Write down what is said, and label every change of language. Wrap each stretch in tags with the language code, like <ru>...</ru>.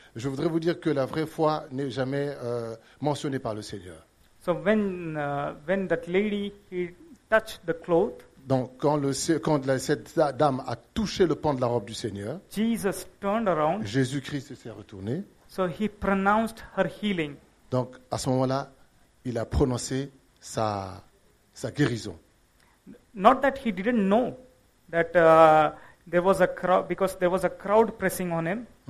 <fr>Je voudrais vous dire que la vraie foi n'est jamais mentionnée par le Seigneur.</fr> <en>So when that lady he touched the cloth.</en> <fr>Donc quand cette dame a touché le pan de la robe du Seigneur.</fr> <en>Jesus turned around.</en> <fr>Jésus-Christ s'est retourné.</fr> <en>So he pronounced her healing.</en> <fr>Donc à ce moment-là, il a prononcé sa guérison.</fr> <en>Not that he didn't know that there was a crowd because there was a crowd pressing on him.</en>